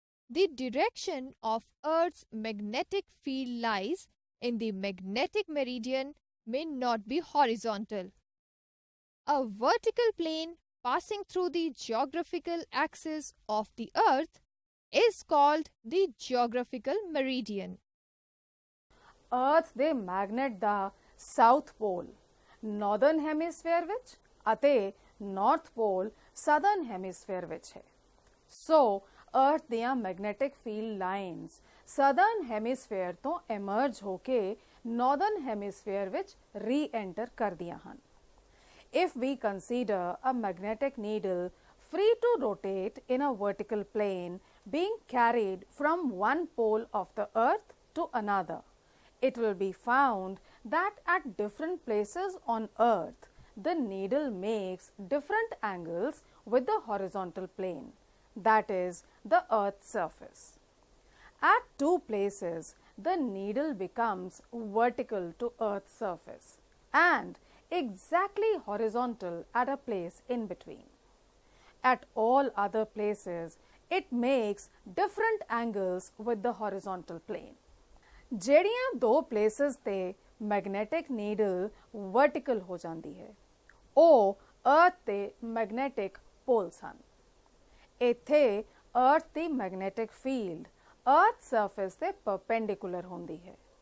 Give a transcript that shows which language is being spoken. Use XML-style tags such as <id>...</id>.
<en>The direction of Earth's magnetic field lies in the magnetic meridian may not be horizontal. A vertical plane passing through the geographical axis of the Earth is called the geographical meridian.</en> <pa>Earth de magnet da south pole Northern hemisphere ਵਿੱਚ ਅਤੇ north ਪੋਲ southern hemisphere ਵਿੱਚ ਹੈ। ਸੋ ਅਰਥ ਦੀਆਂ magnetic field lines southern hemisphere ਤੋਂ ਐਮਰਜ ਹੋ ਕੇ Northern hemisphere ਵਿੱਚ re-enter ਕਰਦੀਆਂ ਹਨ।</pa> <en>If we consider a magnetic needle free to rotate in a vertical plane being carried from one pole of the earth to another, it will be found that at different places on earth the needle makes different angles with the horizontal plane, that is the earth's surface. At two places the needle becomes vertical to earth's surface and exactly horizontal at a place in between. At all other places it makes different angles with the horizontal plane.</en> <pa>ਜਿਹੜੀਆਂ ਦੋ places ਤੇ magnetic needle vertical ਹੋ ਜਾਂਦੀ ਹੈ ਉਹ ਅਰਥ ਦੇ magnetic polls ਹਨ। ਇੱਥੇ ਅਰਥ ਦੀ ਮੈਗਨੈਟਿਕ ਫੀਲਡ ਅਰਥ ਸਰਫੇਸ ਦੇ ਪਰਪੈਂਡੀਕੁਲਰ ਹੁੰਦੀ ਹੈ।</pa>